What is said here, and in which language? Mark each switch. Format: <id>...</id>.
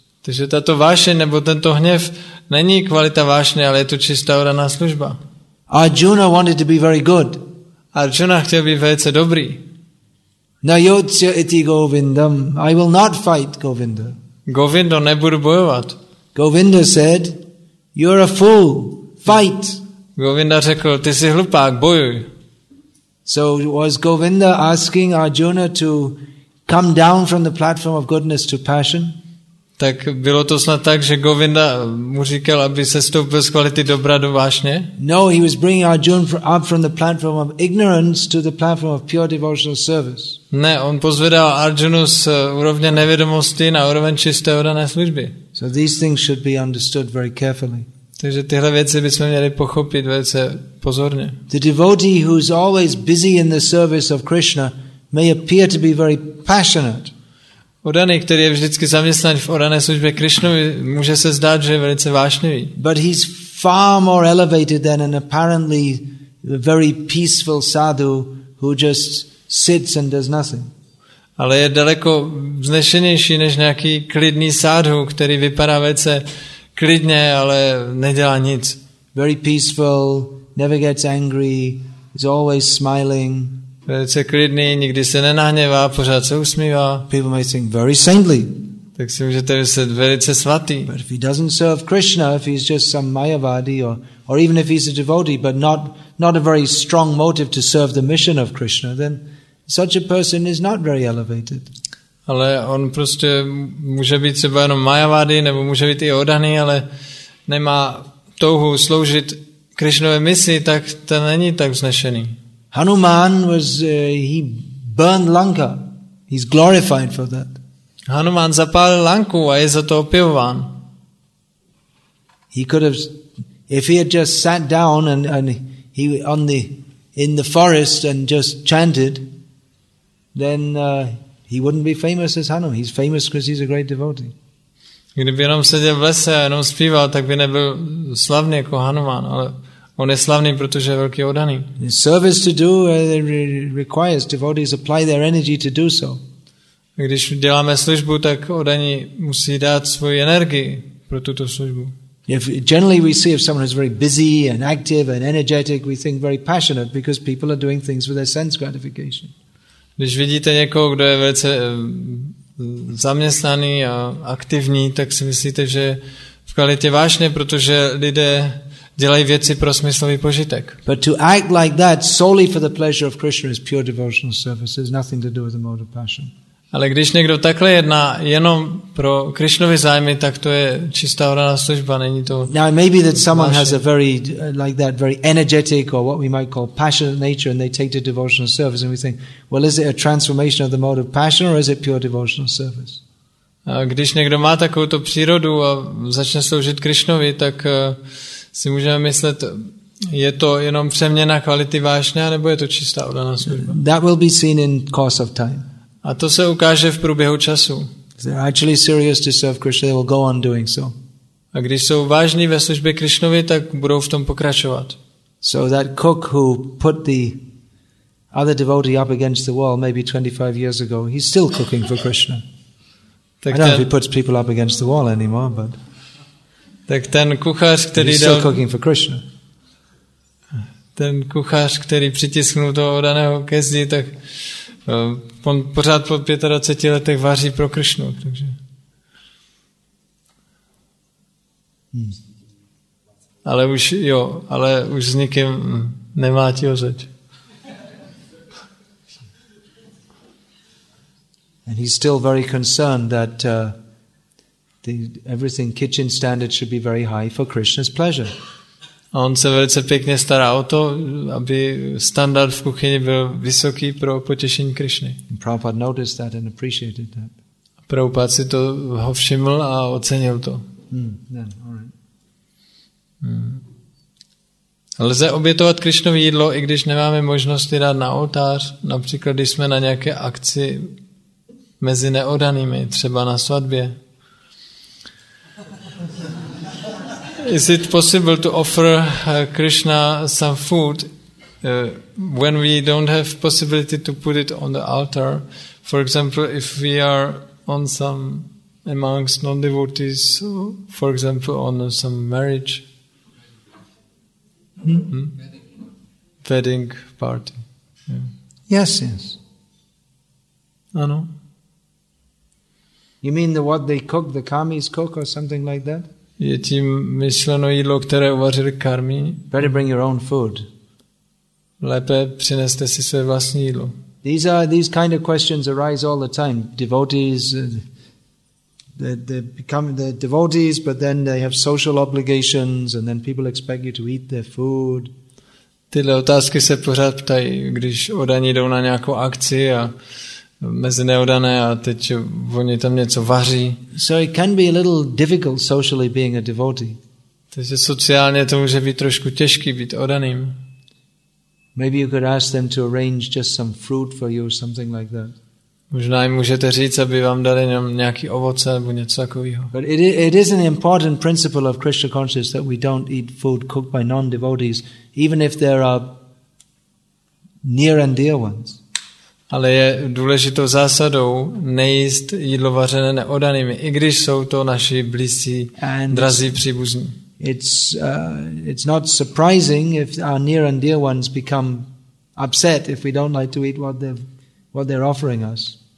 <cs>Takže tato vášeň nebo tento hněv není kvalita vášně, ale je to čistá oraná služba.</cs> <en>Arjuna wanted to be very good.</en> <cs>Arjuna chtěl být velice dobrý.</cs> <sa>Nayotya iti Govindam.</sa> <en>I will not fight Govinda.</en> <cs>Govindo, nebudu bojovat.</cs> <en>Govinda said, "You're a fool. Fight."</en> <cs>Govinda řekl, ty jsi hlupák, bojuj.</cs> <en>So was Govinda asking Arjuna to come down from the platform of goodness to passion?</en> <cs>Tak bylo to snad tak, že Govinda mu říkal, aby se stoupil z kvality dobra do vášně?</cs> <en>No, he was bringing Arjuna up from the platform of ignorance to the platform of pure devotional service.</en> <cs>Ne, on pozvedal Arjunu z úrovně nevědomosti na úroveň čisté oddané služby.</cs> <en>So these things should be understood very carefully.</en> <cs>Takže tyhle věci bychom měli pochopit velice pozorně.</cs> <en>The devotee who is always busy in the service of Krishna may appear to be very passionate.</en> <cs>Oddaný, který je vždycky zaměstnán v oddané službě Krišnovi, může se zdát, že je velice vášnivý.</cs> <en>But he's far more elevated than an apparently very peaceful sadhu who just sits and does nothing.</en> <cs>Ale je daleko vznešenější než nějaký klidný sadhu, který vypadá velice klidně, ale nedělá nic.</cs> <en>Very peaceful, never gets angry, is always smiling.</en> <cs>Velice klidný, nikdy se nenahněvá, pořád se usmívá.</cs> <en>People may think very saintly.</en> <cs>Tak si můžete myslet velice svatý.</cs> <en>But if he doesn't serve Krishna, if he's just some mayavadi or even if he's a devotee, but not a very strong motive to serve the mission of Krishna, then such a person is not very elevated.</en> <cs>Ale on prostě může být třeba jenom mayavadi, nebo může být i oddaný, ale nemá touhu sloužit Krišnové misi, tak to není tak vznešený.</cs> <en>Hanuman was he burned Lanka. He's glorified for that.</en> <cs>Hanuman zapálil Lanku a je za to opěvován.</cs> <en>He could have, if he had just sat down and he on the in the forest and just chanted, then he wouldn't be famous as Hanuman. He's famous because he's a great devotee.</en> <cs>Kdyby jenom seděl v lese a jenom zpíval, tak by nebyl slavný jako Hanuman, ale on je slavný, protože je velký oddaný.</cs> <en>Service to do requires devotees apply their energy to do so.</en> <cs>Když děláme službu, tak oddaní musí dát svoji energii pro tuto službu.</cs> <en>If generally we see if someone is very busy and active and energetic, we think very passionate because people are doing things for their sense gratification.</en> <cs>Když vidíte někoho, kdo je velice zaměstnaný a aktivní, tak si myslíte, že v kvalitě vášně, protože lidé dělají věci pro smyslový požitek.</cs> <en>But to act like that solely for the pleasure of Krishna is pure devotional service. It has nothing to do with the mode of passion.</en> <cs>Ale když někdo takhle jedná jenom pro Krišnovy zájmy, tak to je čistá oraná služba, není to.</cs> <en>Now maybe that someone has a very like that very energetic or what we might call passionate nature and they take to devotional service and we think, well, is it a transformation of the mode of passion or is it pure devotional service?</en> <cs>A když někdo má takovouto přírodu a začne sloužit Krišnovi, tak si můžeme myslet, je to jenom přeměna kvality vášně, nebo je to čistá oddaná služba?</cs> <en>That will be seen in course of time.</en> <cs>A to se ukáže v průběhu času.</cs> <en>If they're actually serious to serve Krishna, they will go on doing so.</en> <cs>A když jsou vážní ve službě Krišnovi, tak budou v tom pokračovat.</cs> <en>So that cook who put the other devotee up against the wall maybe 25 years ago, he's still cooking for Krishna. Tak I don't know if he puts people up against the wall anymore, but</en> <cs>tak ten kuchař, který</cs> <en>he's still cooking for Krishna.</en> <cs>Ten kuchař, který přitisknul toho daného kezdi, tak on pořád po 25 letech vaří pro Krishnu. Takže. Ale už jo, ale už s nikým nemá ti ho řeč.</cs> <en>And he's still very concerned that everything kitchen standard should be very high for Krishna's pleasure.</en> <cs>On se velice pěkně stará o to, aby standard v kuchyni byl vysoký pro potěšení Krishny.</cs> <en>Prabhupada noticed that and appreciated that.</en> <cs>Prabhupada si to ho všiml a ocenil to.</cs> <en>Then, all right.</en> <cs>Lze obětovat Krišnovi jídlo, i když nemáme možnosti dát na oltář, například když jsme na nějaké akci mezi neodanými, třeba na svatbě.</cs> <en>Is it possible to offer Krishna some food when we don't have possibility to put it on the altar? For example, if we are on some amongst non-devotees, for example, on some marriage, wedding party. Yeah. Yes, yes. I know. You mean the what they cook, the kamis cook or something like that?</en> <cs>Je tím myšleno jídlo, které uvařil karmí?</cs> <en>Better bring your own food.</en> <cs>Lépe přineste si své vlastní jídlo.</cs> <en>These kind of questions arise all the time. Devotees, they become the devotees, but then they have social obligations, and then people expect you to eat their food.</en> <cs>Tyhle otázky se pořád ptají, když odaní jdou na nějakou akci a mezi neodané a teď oni tam něco vaří.</cs> <en>So it can be a little difficult socially being a devotee.</en> <cs>Takže sociálně to může být trošku těžký být odaným.</cs> <en>Maybe you could ask them to arrange just some fruit for you, something like that.</en> <cs>Možná jim můžete říct, aby vám dali nějaký ovoce nebo něco takového.</cs> <en>But it is an important principle of Krishna consciousness that we don't eat food cooked by non-devotees, even if there are near and dear ones.</en> <cs>Ale je důležitou zásadou nejíst jídlo vařené neodanými, i když jsou to naši blízcí, drazí příbuzní.</cs> <en>It's not surprising if our near and dear ones become upset if we don't like to eat what they're offering us.</en>